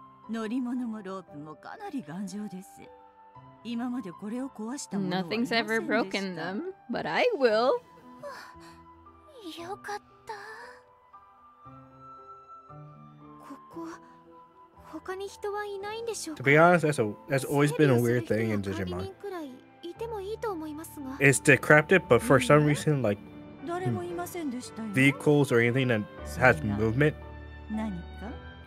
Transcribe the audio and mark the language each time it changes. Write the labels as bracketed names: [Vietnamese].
[Japanese] 乗り物もロープもかなり頑丈です。今までこれを壊したものはありませんでした。 [English] Nothing's ever broken them, but I will. [Japanese] よかった。ここ、他に人はいないんでしょうか。 [English] To be honest, that's always been a weird thing in Digimon. [Japanese] 人くらいいてもいいと思いますが。 [English] It's decrepit, but for some reason, like, vehicles or anything that has movement functions.